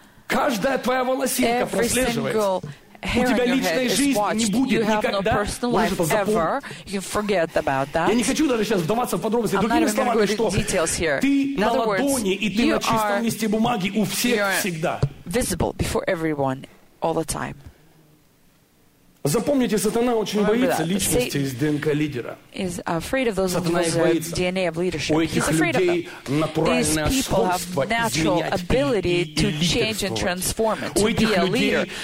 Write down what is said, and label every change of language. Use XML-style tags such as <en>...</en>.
<en>Every single hair on your head is watched. You have no personal life ever. You forget about that. I'm not even going to go into details here. In other words, you're visible before everyone all the time.</en> <ru>Запомните, сатана очень боится личности из ДНК лидера.</ru> <en>Is afraid of those of DNA of leadership. He's afraid of them. These people have natural ability to change and transform it, to be a leader.</en>